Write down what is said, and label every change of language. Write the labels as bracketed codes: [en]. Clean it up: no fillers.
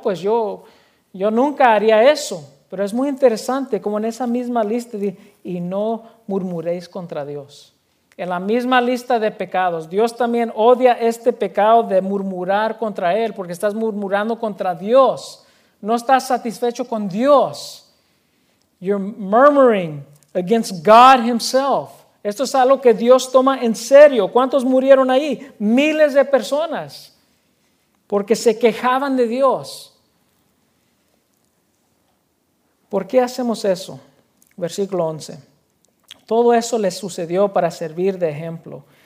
[es] Pues yo nunca haría eso. Pero es muy interesante, como en esa misma lista, y no murmuréis contra Dios. En la misma lista de pecados, Dios también odia este pecado de murmurar contra Él, porque estás murmurando contra Dios. No estás satisfecho con Dios. [en] You're murmuring against God Himself. [es] Esto es algo que Dios toma en serio. ¿Cuántos murieron ahí? Miles de personas, porque se quejaban de Dios. ¿Por qué hacemos eso? Versículo 11. Todo eso les sucedió para servir de ejemplo